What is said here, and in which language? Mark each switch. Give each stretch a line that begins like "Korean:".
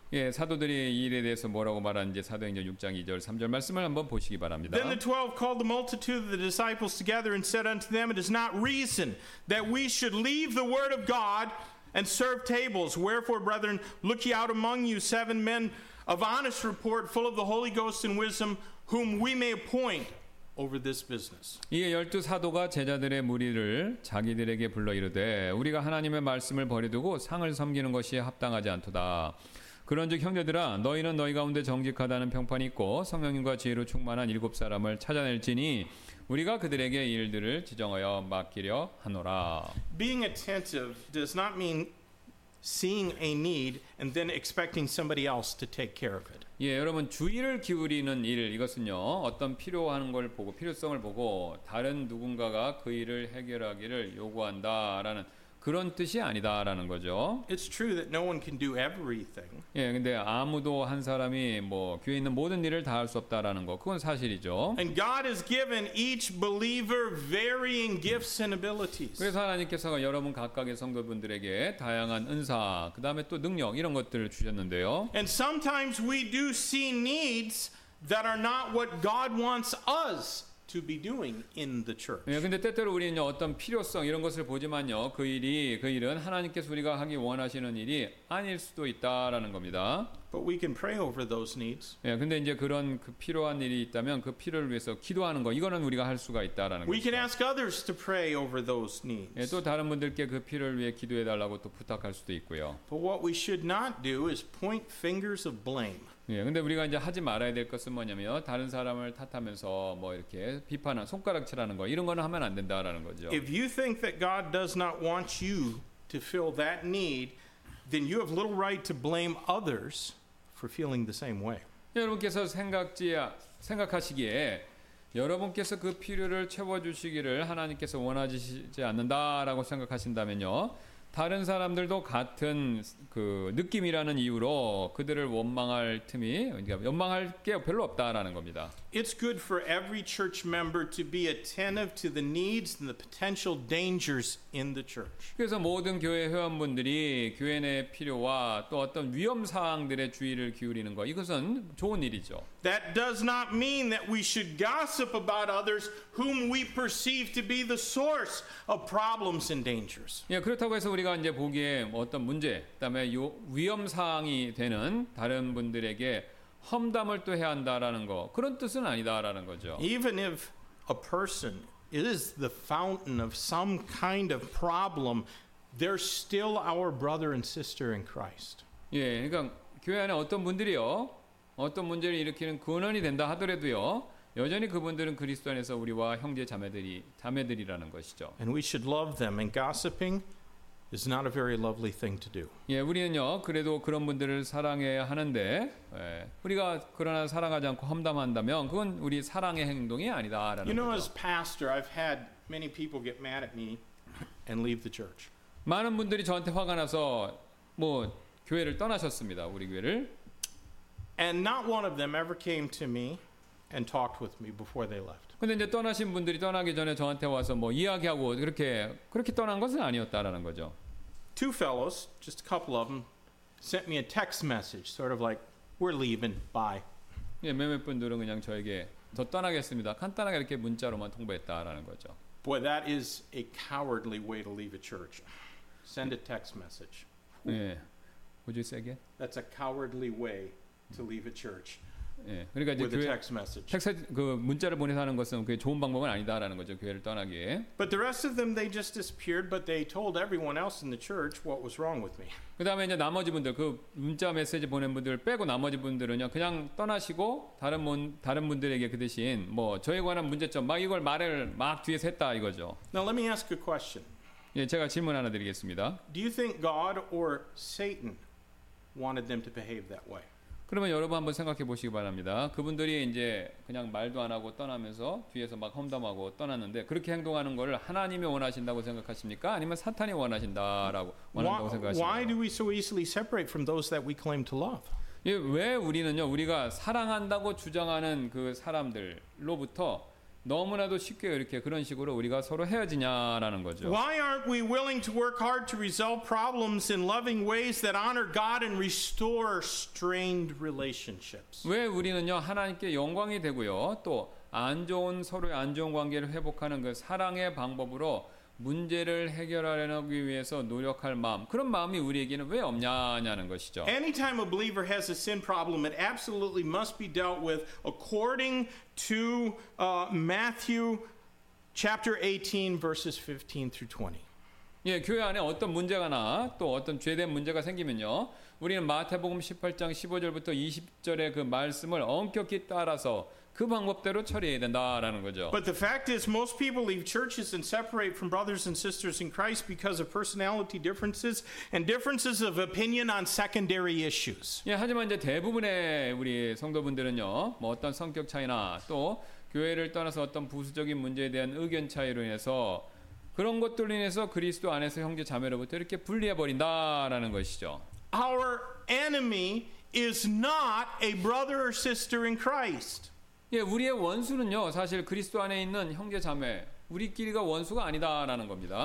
Korean: 예, 사도들이 이 일에 대해서 뭐라고 말하는지 사도행전 6장 2절 3절 말씀을 한번 보시기 바랍니다.
English: Then the 12 called the multitude of the disciples together and said unto them, It is not reason that we should leave the word of God and serve tables. Wherefore, brethren, look ye out among you seven men of honest report, full of the Holy Ghost and wisdom, whom we may appoint over this business.
Korean: 이에 열두 사도가 제자들의 무리를 자기들에게 불러 이르되 우리가 하나님의 말씀을 버려두고 상을 섬기는 것이 합당하지 않도다. 그런즉 형제들아 너희는 너희 가운데 정직하다는 평판이 있고 성령님과 지혜로 충만한 일곱 사람을 찾아낼지니 우리가 그들에게 일들을 지정하여 맡기려 하노라.
English: Being attentive does not mean seeing a need and then expecting somebody else to take care of it.
Korean: 예, 여러분 주의를 기울이는 일 이것은요. 어떤 필요한 걸 보고 필요성을 보고 다른 누군가가 그 일을 해결하기를 요구한다라는 그런 뜻이 아니다라는 거죠.
English: It's true that no one can do everything.
Korean: 예, 근데 아무도 한 사람이 뭐 교회에 있는 모든 일을 다 할 수 없다라는 거 그건 사실이죠.
English: And God has given each believer varying gifts and abilities.
Korean: 그래서 하나님께서 여러분 각각의 성도분들에게 다양한 은사, 그다음에 또 능력 이런 것들을 주셨는데요.
English: And sometimes we do see needs that are not what God wants us to be doing in the church.
Korean: 예, 근데 때때로 우리는요 어떤 필요성 이런 것을 보지만요 그 일은 하나님께서 우리가 하기 원하시는 일이 아닐 수도 있다라는 겁니다.
English: But we can pray over those needs.
Korean: 예, 근데 이제 그런 그 필요한 일이 있다면 그 필요를 위해서 기도하는 거 이거는 우리가 할 수가 있다라는 거죠.
English: We can ask others to pray over those needs.
Korean: 예, 또 다른 분들께 그 필요를 위해 기도해 달라고 또 부탁할 수도 있고요.
English: But what we should not do is point fingers of blame.
Korean: 예, 근데 우리가 이제 하지 말아야 될 것은 뭐냐면 다른 사람을 탓하면서 뭐 이렇게 비판한 손가락질하는 거 이런 거는 하면 안 된다라는 거죠.
English: If you think that God does not want you to fill that need, then you have little right to blame others for feeling the same way.
Korean: 여러분께서 생각하시기에 여러분께서 그 필요를 채워주시기를 하나님께서 원하시지 않는다라고 생각하신다면요. 다른 사람들도 같은 그 느낌이라는 이유로 그들을 원망할 틈이 그러니까 원망할 게 별로 없다라는 겁니다.
English: It's good for every church member to be attentive to the needs and the potential dangers in the church.
Korean: 그래서 모든 교회 회원분들이 교회 내 필요와 또 어떤 위험 사항들에 주의를 기울이는 거 이것은 좋은 일이죠.
English: That does not mean that we should gossip about others whom we perceive to be the source of problems and dangers.
Korean: 예, 그렇다고 해서 우리가 이제 보기에 어떤 문제, 그다음에 요 위험 사항이 되는 다른 분들에게 험담을 또 해야 한다라는 거 그런 뜻은 아니다라는 거죠.
English: Even if a person is the fountain of some kind of problem, they're still our brother and sister in Christ.
Korean: 예, 그러니까 교회 안에 어떤 분들이요, 어떤 문제를 일으키는 근원이 된다 하더라도요, 여전히 그분들은 그리스도 안에서 우리와 형제 자매들이라는 것이죠.
English: And we should love them. And gossiping is not a very lovely thing to do.
Korean: 예, 우리는요 그래도 그런 분들을 사랑해야 하는데 예, 우리가 그러나 사랑하지 않고 험담한다면 그건 우리 사랑의 행동이 아니다라는 거죠.
English: You know, as pastor, I've had many people get mad at me and leave the church.
Korean: 많은 분들이 저한테 화가 나서 뭐 교회를 떠나셨습니다. 우리 교회를.
English: And not one of them ever came to me and talked with me before they left.
Korean: 근데 이제 떠나신 분들이 떠나기 전에 저한테 와서 뭐 이야기하고 그렇게 떠난 것은 아니었다라는 거죠.
English: Two fellows, just a couple of them, sent me a text message, sort of like, "We're leaving. Bye."
Korean: 예, 몇몇 분들은 그냥 저에게 저 떠나겠습니다. 간단하게 이렇게 문자로만 통보했다라는 거죠.
English: Boy, that is a cowardly way to leave a church. Send a text message. Yeah. Would you say again? That's a cowardly way to leave a church.
Korean: 예, 그러니까 이제 교회, 그 문자를 보내서 하는 것은 그게 좋은 방법은 아니다라는 거죠 교회를 떠나기에.
English: But the rest of them they just disappeared, but they told everyone else in the church what was wrong with me.
Korean: 그다음에 이제 나머지 분들 그 문자 메시지 보낸 분들 빼고 나머지 분들은요 그냥 떠나시고 다른 분들에게 그 대신 뭐 저에 관한 문제점 막 이걸 말을 막 뒤에서 했다 이거죠.
English: Now let me ask a question.
Korean: 예, 제가 질문 하나 드리겠습니다.
English: Do you think God or Satan wanted them to behave that way?
Korean: 그러면 여러분 한번 생각해 보시기 바랍니다. 그분들이 이제 그냥 말도 안 하고 떠나면서 뒤에서 막 험담하고 떠났는데 그렇게 행동하는 것을 하나님이 원하신다고 생각하십니까? 아니면 사탄이 원하신다라고 원한다고 생각하십니까?
English: Why do we so easily separate from those that we claim to love?
Korean: 예, 왜 우리는요 우리가 사랑한다고 주장하는 그 사람들로부터 너무나도 쉽게 이렇게 그런 식으로 우리가 서로 헤어지냐라는 거죠.
English: Why aren't we willing to work hard to resolve problems in loving ways that honor God and restore strained relationships?
Korean: 왜 우리는요 하나님께 영광이 되고요 또 안 좋은 서로의 안 좋은 관계를 회복하는 그 사랑의 방법으로 문제를 해결하려기 위해서 노력할 마음 그런 마음이 우리에게는 왜 없냐냐는 것이죠.
English: Anytime a believer has a sin problem, it absolutely must be dealt with according to Matthew chapter 18 verses 15 through 20.
Korean: 예, 교회 안에 어떤 문제가나 또 어떤 죄된 문제가 생기면요, 우리는 마태복음 18장 15절부터 20절의 그 말씀을 엄격히 따라서 그 방법대로 처리해야 된다라는 거죠.
English: But the fact is most people leave churches and separate from brothers and sisters in Christ because of personality differences and differences of opinion on secondary issues.
Korean: 예, 하지만 이제 대부분의 우리 성도분들은요. 뭐 어떤 성격 차이나 또 교회를 떠나서 어떤 부수적인 문제에 대한 의견 차이로 인해서 그런 것들로 인해서 그리스도 안에서 형제 자매로부터 이렇게 분리해 버린다라는 것이죠.
English: Our enemy is not a brother or sister in Christ.
Korean: 예, 우리의 원수는요, 사실 그리스도 안에 있는 형제 자매, 우리끼리가 원수가 아니다라는 겁니다.